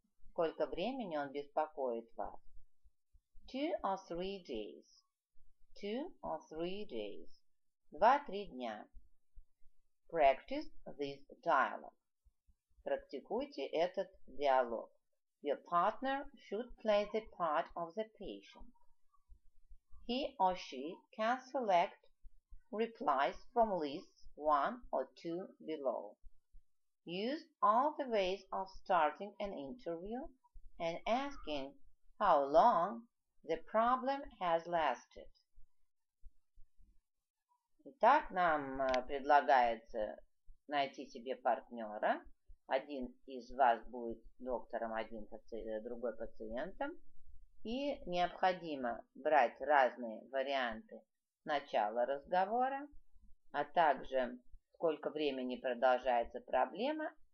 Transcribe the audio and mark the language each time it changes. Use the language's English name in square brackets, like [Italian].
[Russian] Сколько времени он беспокоит вас? [English] Two or three days. Two or three days. [Russian] 2-3 дня. [English] Practice this dialogue. [Russian] Практикуйте этот диалог. [English] Your partner should play the part of the patient. He or she can select replies from lists 1 or 2 below. Use all the ways of starting an interview and asking how long the problem has lasted. [Russian] Итак, нам предлагается найти себе партнера. Один из вас будет доктором, один другой пациентом. И необходимо брать разные варианты начала разговора, а также сколько времени продолжается проблема.